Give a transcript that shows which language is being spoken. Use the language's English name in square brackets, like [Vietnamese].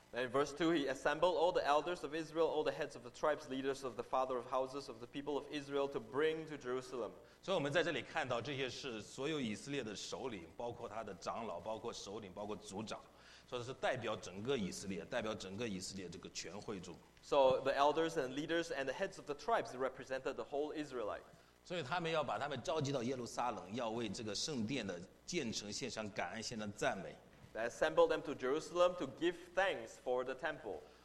[English] In verse 2, he assembled all the elders of Israel, all the heads of the tribes, leaders of the father of houses of the people of Israel to bring to Jerusalem. So the elders and leaders and the heads of the tribes represented the whole Israelite. [Chinese] 所以他们要把他们召集到耶路撒冷，要为这个圣殿的建成献上感恩、献上赞美。 [English] Assemble them to Jerusalem to give thanks for the temple.